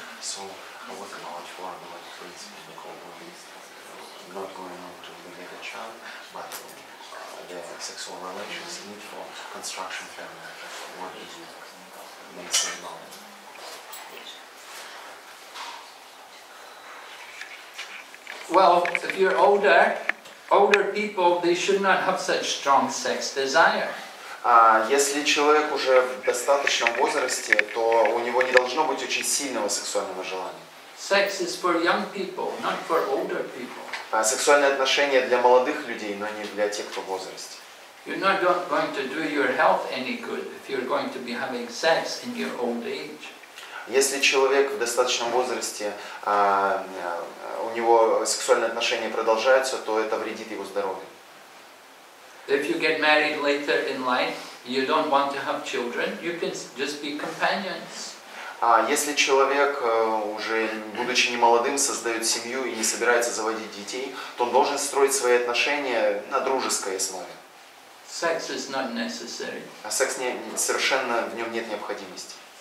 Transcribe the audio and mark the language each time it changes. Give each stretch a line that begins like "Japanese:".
English: So what about for the like principle the couple is not going on to get a child, but the sexual relations need for construction family. What is it? Makes them known. Well, if you're older, older people, they should not have such strong sex desire.
Russian: Если человек уже в достаточном возрасте, то у него не должно быть очень сильного сексуального желания.
English: Sex is for young people, not for older people.
Russian: Сексуальные отношения для молодых людей, но не для тех, кто в возрасте.
English: You're not going to do your health any good if you're going to be having sex in your old age.
Russian: Если человек в достаточном возрасте, у него сексуальные отношения продолжаются, то это вредит его здоровью.
English: If you get married later in life, you don't want to have children, you can just be companions.
Russian: А если человек, уже будучи немолодым, создает семью и не собирается заводить детей, то он должен строить свои отношения на дружеской основе.
English: Sex is not necessary.
Russian: А секс не, совершенно в нем нет необходимости.